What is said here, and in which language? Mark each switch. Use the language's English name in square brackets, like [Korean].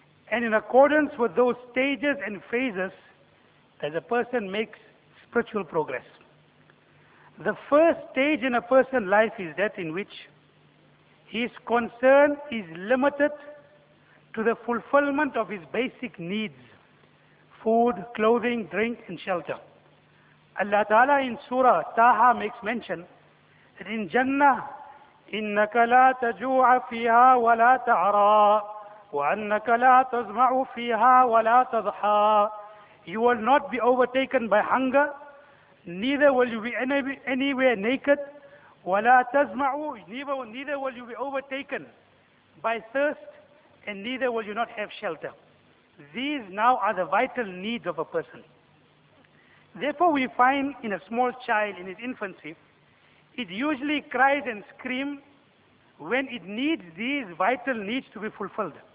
[English] And in accordance with those stages and phases, as a person makes spiritual progress. The first stage in a person's life is that in which his concern is limited to the fulfillment of his basic needs, food, clothing, drink, and shelter. Allah Ta'ala in Surah Taha makes mention that in Jannah, [Arabic] إِنَّكَ لَا تَجُوعَ فِيهَا وَلَا تَعْرَى وَأَنَّكَ لَا تَزْمَعُ فِيهَا وَلَا تَضْحَى. [English] You will not be overtaken by hunger, neither will you be anywhere naked, [Arabic] وَلَا تَزْمَعُ, [English] neither will you be overtaken by thirst, and neither will you not have shelter. These now are the vital needs of a person. Therefore we find in a small child in his infancy, it usually cries and screams when it needs these vital needs to be fulfilled.